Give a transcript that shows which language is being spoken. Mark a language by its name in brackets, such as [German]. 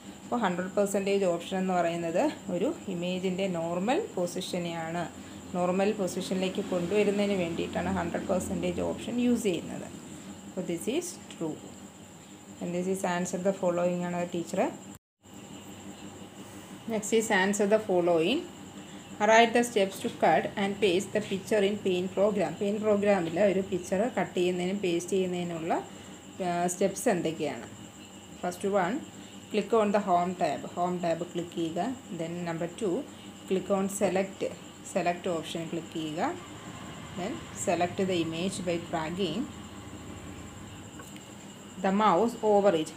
[Malayalam] അപ്പോൾ 100% ഓപ്ഷൻ എന്ന് പറയുന്നത് ഒരു ഇമേജിൻ്റെ നോർമൽ പൊസിഷനെയാണ്, നോർമൽ പൊസിഷനിലേക്ക് കൊണ്ടുവരുന്നതിന് വേണ്ടിയിട്ടാണ് 100% ഓപ്ഷൻ യൂസ് ചെയ്യുന്നത്. [English] അപ്പോൾ this is true. And this is answer the following [Malayalam] ആണ് teacher. [English] Next is answer the following. Write the steps to cut and paste the picture in paint program. [Malayalam] Paint program ഇല്ല ഒരു picture cut ചെയ്യുന്നതിനും paste ചെയ്യുന്നതിനുമുള്ള steps എന്തൊക്കെയാണ്? [English] First one, click on the home tab. [Malayalam] Home tab click ചെയ്യുക. [English] then number two, click on select, [Malayalam] select option click ചെയ്യുക. [English] Then select the image by dragging the mouse over it.